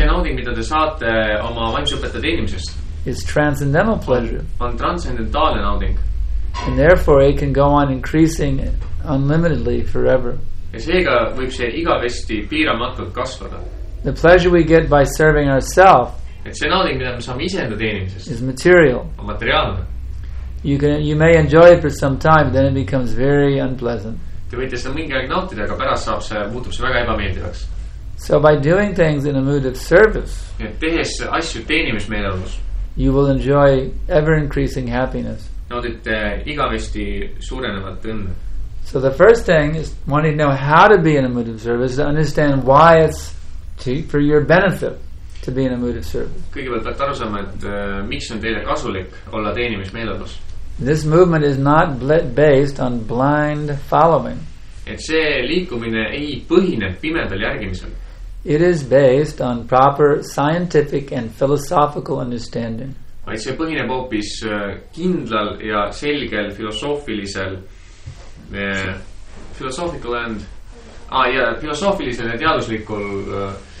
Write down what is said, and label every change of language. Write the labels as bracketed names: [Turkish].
[Estonian] See nauding, mida te saate oma vaimsõpetaja teenimisest. [English] Is transcendental pleasure. [Estonian] On transcendentaalne nauding. [English] And therefore it can go on increasing unlimitedly forever. [Estonian] Ja seega võib see igavesti piiramatult kasvada. [English] The pleasure we get by serving ourselves. [Estonian] Et see nauding, mida me saame iseenda teenimisest. [English] Is material. [Estonian] On materiaalne. [English] You may enjoy it for some time, then it becomes very unpleasant. [Estonian] Te võite seda mingi aeg nautida, aga pärast saab see, muutub see väga ebameeldivaks. [English] So by doing things in a mood of service, [Estonian] et tehes asju teenimismeeleolus, [English] you will enjoy ever-increasing happiness. [Estonian] Naudite igavesti suurenevat õnne. [English] So the first thing is wanting to know how to be in a mood of service, to understand why it's for your benefit to be in a mood of service. [Estonian] Kõigepealt peate aru saama, et miks on teile kasulik olla teenimismeeleolus. [English] This movement is not based on blind following. [Estonian] Et see liikumine ei põhine pimedal järgimisel. [English] It is based on proper scientific and philosophical understanding. [Estonian] Vaid see põhineb hoopis kindlal ja selgel filosoofilisel philosophical and filosoofilisel ja teaduslikul